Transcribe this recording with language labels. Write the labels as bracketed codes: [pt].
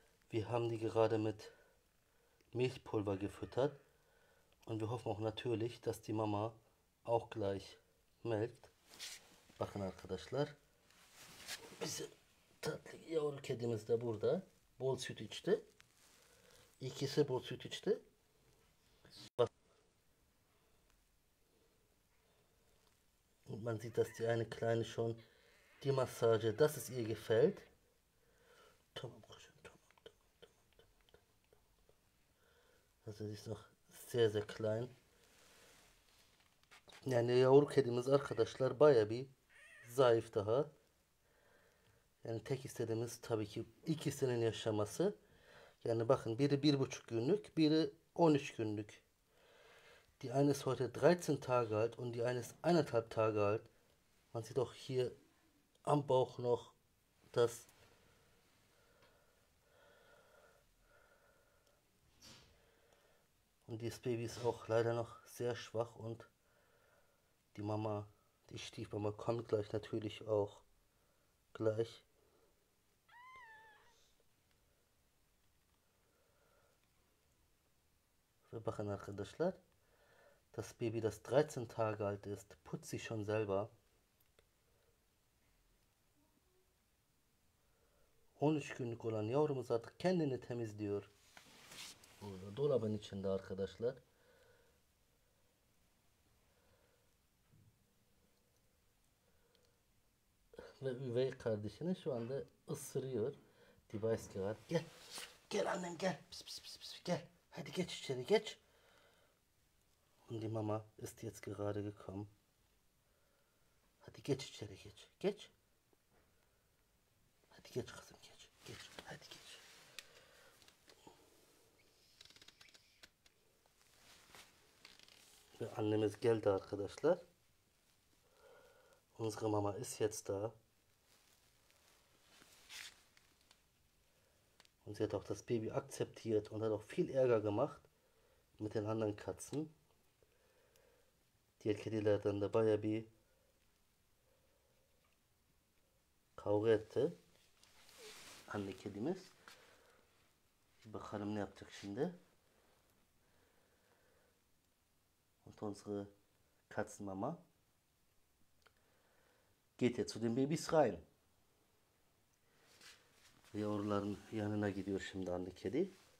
[de] Wir haben die gerade mit Milchpulver gefüttert. Und wir hoffen auch natürlich, dass die Mama auch gleich melkt. [tr] Bakın arkadaşlar. Bizim tatlı yavru kedimiz de burada. Bol süt içti. İkisi bol süt içti. [de] Man sieht, dass die eine Kleine schon die Massage, dass es ihr gefällt. [tr] Tamam. [de] Also sie ist noch sehr sehr klein. [tr] Yani yavru kedimiz arkadaşlar baya bir zayıf daha. Yani tek istediğimiz tabii ki ikisinin yaşaması. Yani bakın biri 1,5 günlük, biri 13 günlük. [de] Die eine ist heute 13 Tage alt und die eine ist 1,5 Tage alt. Man sieht auch hier am Bauch noch das. Und dieses Baby ist auch leider noch sehr schwach und die Mama, die Stiefmama kommt gleich natürlich auch gleich. Wir machen [tr] arkadaşlar. [de] Das Baby, das 13 Tage alt ist, putzt sich schon selber. [tr] 13 günlük olan yavrumuz artık kendini temizliyor. Burada dolabın içinde arkadaşlar. Ve üvey kardeşini şu anda ısırıyor. Device var. Gel. Gel annem gel. Pis pis pis pis. Gel. Hadi geç içeri geç. [de] Und die Mama ist jetzt gerade gekommen. [tr] Hadi geç içeri geç. Geç. Hadi geç kızım geç. Geç. Hadi geç. Ve annemiz geldi arkadaşlar. [de] Unsere Mama ist jetzt da. Und sie hat auch das Baby akzeptiert und hat auch viel Ärger gemacht mit den anderen Katzen. [tr] Diğer kedilerden de baya bir kavga etti. Anne kedimiz. Bakalım ne yapacak şimdi. [de] Unsere Katzenmama geht jetzt zu den Babys rein. [tr] Yavruların yanına gidiyor şimdi anne kedi.